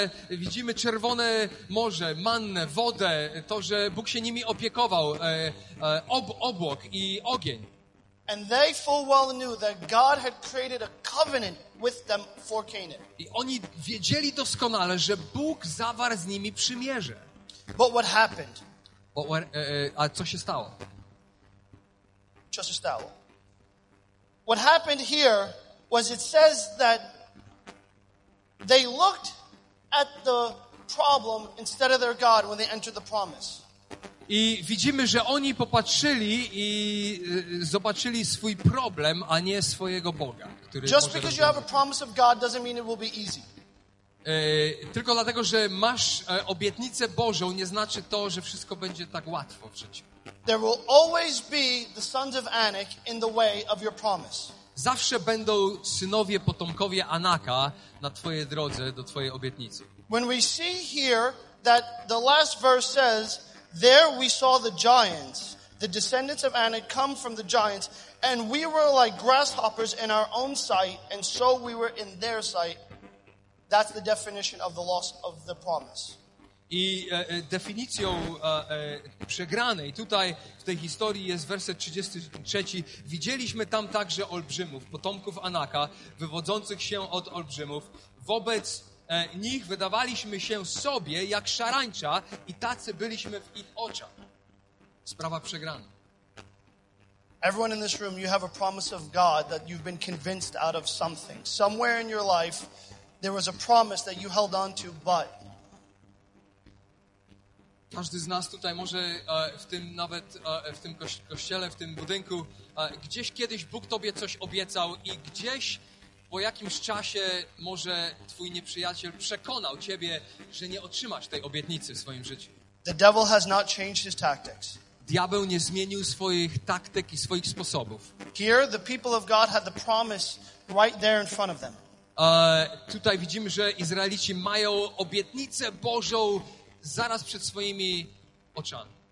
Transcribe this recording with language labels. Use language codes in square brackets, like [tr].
[pl] Widzimy czerwone morze, mannę, wodę, to, że Bóg się nimi opiekował, obłok i ogień. [en] And they full well knew that God had created a covenant with them for Canaan. [pl] I oni wiedzieli doskonale, że Bóg zawarł z nimi przymierze. [en] But what happened? [pl] A co się stało? Co się stało? [en] What happened here was it says that they looked at the problem instead of their God when they entered the promise. [pl] I widzimy, że oni popatrzyli i zobaczyli swój problem, a nie swojego Boga, który [en] Just because [pl] rozwiązać. [en] You have a promise of God doesn't mean it will be easy. [pl] Tylko dlatego, że masz obietnicę Bożą, nie znaczy to, że wszystko będzie tak łatwo w życiu. [en] There will always be the sons of Anak in the way of your promise. [pl] Zawsze będą synowie, potomkowie Anaka na twojej drodze do twojej obietnicy. [en] When we see here that the last verse says, there we saw the giants, the descendants of Anak come from the giants, and we were like grasshoppers in our own sight, and so we were in their sight. That's the definition of the loss of the promise. [pl] I definicją przegranej tutaj w tej historii jest werset 33. Widzieliśmy tam także olbrzymów, potomków Anaka, wywodzących się od olbrzymów. Wobec nich wydawaliśmy się sobie jak szarańcza i tacy byliśmy w ich oczach. Sprawa przegrana. [en] Everyone in this room, you have a promise of God that you've been convinced out of something. Somewhere in your life, there was a promise that you held on to, but... [pl] Każdy z nas tutaj może w tym nawet, w tym kościele, w tym budynku, gdzieś kiedyś Bóg tobie coś obiecał i gdzieś po jakimś czasie może twój nieprzyjaciel przekonał ciebie, że nie otrzymasz tej obietnicy w swoim życiu. [en] The devil has not changed his tactics. [pl] Diabeł nie zmienił swoich taktyk i swoich sposobów. [en] Here the people of God had the promise right there in front of them. [pl] Tutaj widzimy, że Izraelici mają obietnicę Bożą zaraz przed swoimi oczami.